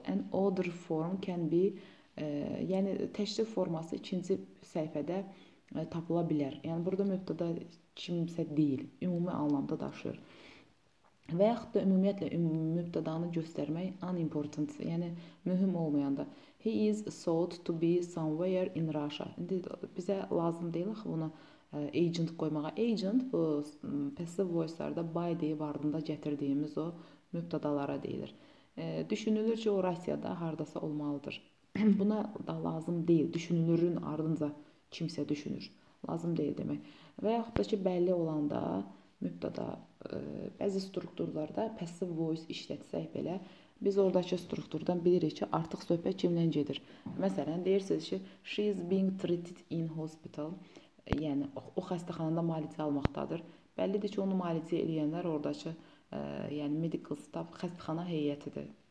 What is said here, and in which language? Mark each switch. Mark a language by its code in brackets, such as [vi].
[en] An order form can be, [az] yəni təşrif forması ikinci səhifədə tapıla bilər. Yəni burada mübtəda kimsə deyil, ümumi anlamda daşıyır. Və yaxud da ümumiyyətlə mübtədanı göstərmək unimportant, yəni mühüm olmayanda. [en] He is thought to be somewhere in Russia. [az] İndi bizə lazım deyil axı buna agent qoymağa. Agent bu passive voice-larda by deyib ardında gətirdiyimiz o mübtədalara deyilir. Düşünülür ki, o Rusiyada hardasa olmalıdır. Buna da lazım deyil. Düşünülürün ardınca kimsə düşünür. Lazım deyil demək. Və yaxud da ki, bəlli olanda mübtəda bəzi strukturlarda passive voice işlətsək belə, biz oradakı strukturdan bilirik ki, artıq söhbət kimdən gedir. Məsələn, deyirsiniz ki, [en] she is being treated in hospital. [az] Yəni, o xəstəxanada müalicə almaqdadır. Bəllidir ki, onu müalicə eləyənlər oradakı yəni medical staff, xəstəxana heyətidir.